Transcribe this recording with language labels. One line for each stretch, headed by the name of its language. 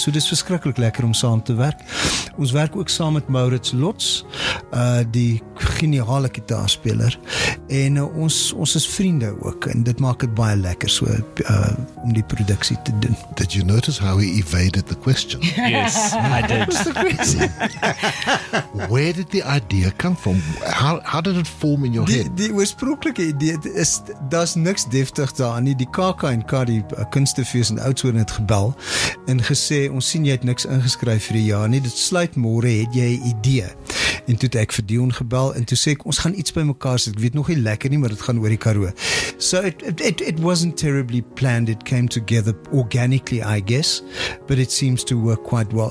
Afrikaans: So dis verskriklik lekker om saam te werk. Ons werk ook saam met Maurits Lots, die geniale gitaarspeler en ons is vriende ook en dit maak het baie lekker so om die produksie te doen.
English: Did you notice how he evaded the question. Yes, I did. What was the question? Where did the idea come from? How did it form in your head?
Afrikaans: Die oorspronklike idee is, daar's niks deftig daar nie. Die KK en K, die kunstefees in Oudtshoorn het gebel en gesê, ons sien jy het niks ingeskryf vir die jaar nie. Dit sluit môre, het jy 'n idee? En toe het ek vir Dion gebel en toe sê ek, ons gaan iets by mekaar sit. Ek weet nog nie lekker nie, maar dit gaan oor die Karoo.
English: So it wasn't terribly planned. It came together organically, I guess. But it seems to work quite well.